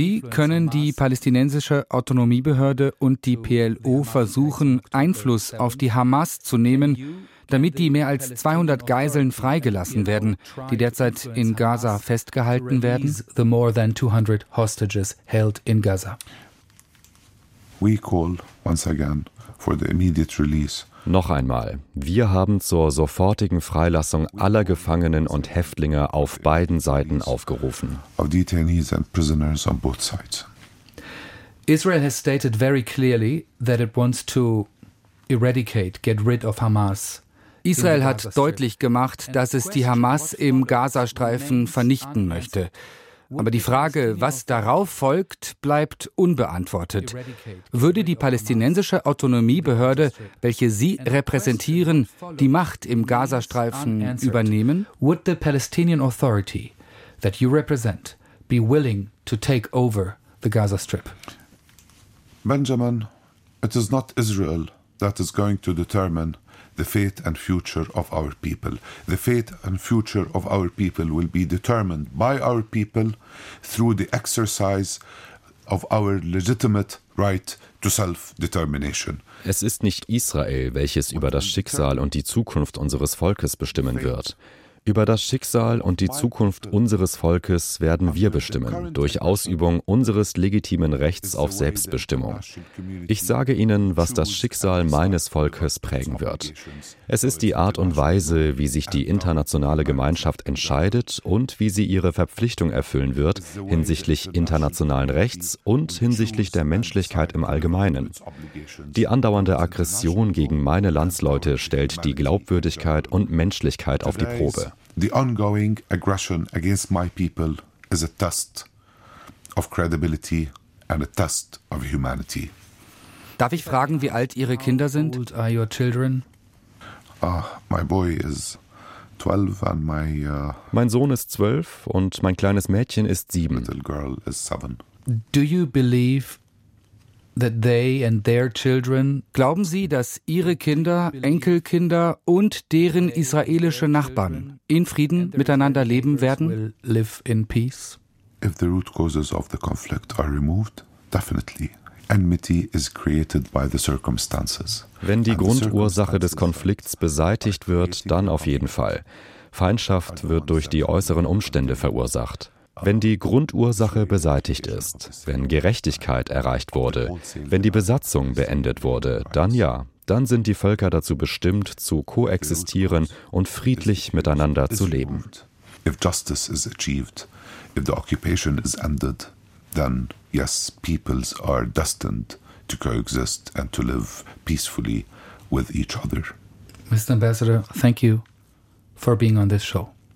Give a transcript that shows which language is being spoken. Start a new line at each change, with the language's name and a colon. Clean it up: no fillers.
German: Können die palästinensische Autonomiebehörde und die PLO versuchen, Einfluss auf die Hamas zu nehmen, damit die mehr als 200 Geiseln freigelassen werden, die derzeit in Gaza festgehalten werden?
English: The more than 200 hostages held in Gaza. We call once again for the immediate release.
German: Noch einmal, wir haben zur sofortigen Freilassung aller Gefangenen und Häftlinge auf beiden Seiten aufgerufen.
English: Israel has stated very clearly that it wants to eradicate, get rid of Hamas.
German: Israel hat deutlich gemacht, dass es die Hamas im Gazastreifen vernichten möchte. Aber die Frage, was darauf folgt, bleibt unbeantwortet. Würde die palästinensische Autonomiebehörde, welche Sie repräsentieren, die Macht im Gazastreifen übernehmen?
English: Would the Palestinian Authority that you represent be willing to take over the Gaza Strip? Benjamin, it is not Israel that is going to determine the fate and future of our people. The fate and future of our people will be determined by our people through the exercise of our legitimate right to self-determination.
German: Es ist nicht Israel, welches über das Schicksal und die Zukunft unseres Volkes bestimmen wird. Über das Schicksal und die Zukunft unseres Volkes werden wir bestimmen, durch Ausübung unseres legitimen Rechts auf Selbstbestimmung. Ich sage Ihnen, was das Schicksal meines Volkes prägen wird. Es ist die Art und Weise, wie sich die internationale Gemeinschaft entscheidet und wie sie ihre Verpflichtung erfüllen wird hinsichtlich internationalen Rechts und hinsichtlich der Menschlichkeit im Allgemeinen. Die andauernde Aggression gegen meine Landsleute stellt die Glaubwürdigkeit und Menschlichkeit auf die Probe.
English: The ongoing aggression against my people is a test of credibility and a test of humanity.
German: Darf ich fragen, wie alt Ihre Kinder sind?
English: How old are your children? My boy is 12 and my...
German: Mein Sohn ist 12 und mein kleines Mädchen ist 7.
English: Little girl is 7. Do you believe that they and their children,
German: glauben Sie, dass Ihre Kinder, Enkelkinder und deren israelische Nachbarn in Frieden miteinander leben werden?
English: Live in peace. If the root causes of the conflict are removed, definitely. Enmity is created by the circumstances.
German: Wenn die Grundursache des Konflikts beseitigt wird, dann auf jeden Fall. Feindschaft wird durch die äußeren Umstände verursacht. Wenn die Grundursache beseitigt ist, wenn Gerechtigkeit erreicht wurde, wenn die Besatzung beendet wurde, dann ja, dann sind die Völker dazu bestimmt, zu koexistieren und friedlich miteinander zu leben.
English: If justice is achieved, if the occupation is ended, then yes, peoples are destined to coexist and to live peacefully with each other. Mr. Ambassador, thank you for being on this show.